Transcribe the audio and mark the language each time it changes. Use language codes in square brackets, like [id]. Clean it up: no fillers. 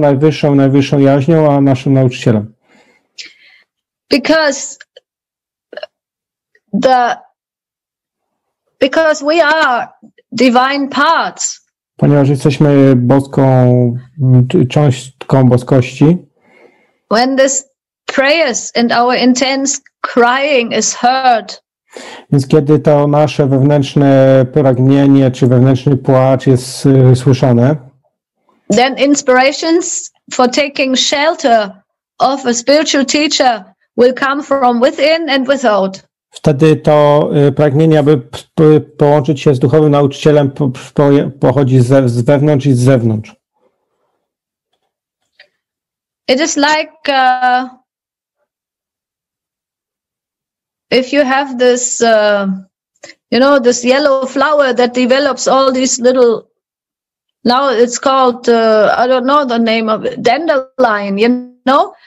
[pl] najwyższą, najwyższą jaźnią, a naszym nauczycielem. [en] Because the Because we are divine parts. [pl] Ponieważ jesteśmy boską cząstką boskości. [en] When this prayers and our intense crying is heard. [pl] Więc kiedy to nasze wewnętrzne pragnienie czy wewnętrzny płacz jest słyszane. [en] Then inspirations for taking shelter of a spiritual teacher will come from within and without. [pl] Wtedy to pragnienie, aby połączyć się z duchowym nauczycielem, pochodzi z wewnątrz i z zewnątrz. [en] It is like if you have this, you know, this yellow flower that develops all these little. Now it's called, I don't know the name of it, dandelion, you know?